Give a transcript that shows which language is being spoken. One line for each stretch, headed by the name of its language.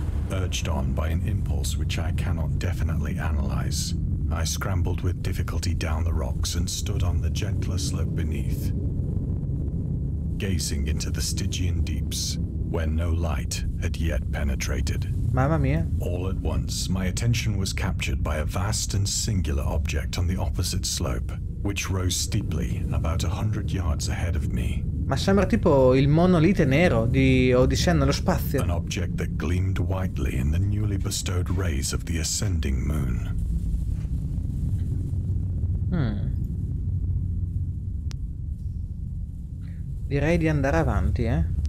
English: Urged on by an impulse which I cannot definitely analyze, I scrambled with difficulty down the rocks and stood on the gentler slope beneath, gazing into the Stygian deeps, where no light had yet penetrated.
Italian: Mamma mia.
English: All at once, my attention was captured by a vast and singular object on the opposite slope, which rose steeply about 100 yards ahead of me.
Italian: Ma sembra tipo il monolite nero di Odissea nello spazio.
English: An object that gleamed whitely in the newly bestowed rays of the ascending moon. Hmm.
Italian: Direi di andare avanti, eh.